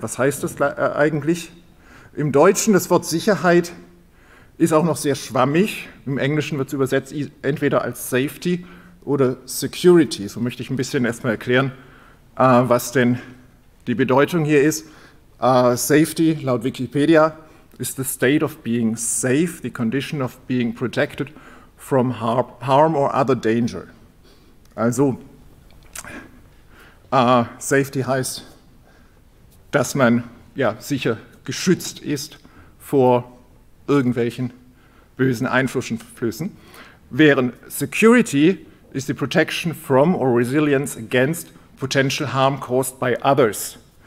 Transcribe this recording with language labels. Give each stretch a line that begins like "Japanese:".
German: Was heißt das eigentlich? Im Deutschen, das Wort Sicherheit ist auch noch sehr schwammig. Im Englischen wird es übersetzt entweder als Safety oder Security. So möchte ich ein bisschen erstmal erklären, was denn die Bedeutung hier ist.
English: Safety,
German: laut Wikipedia,
English: is the state of being safe, the condition of being protected from harm or other danger.
German: Also, Safety heißt, dass man sicher geschützt ist vor irgendwelchen bösen Einflüssen.
English: Während Security is the protection from or resilience against potential harm caused by others.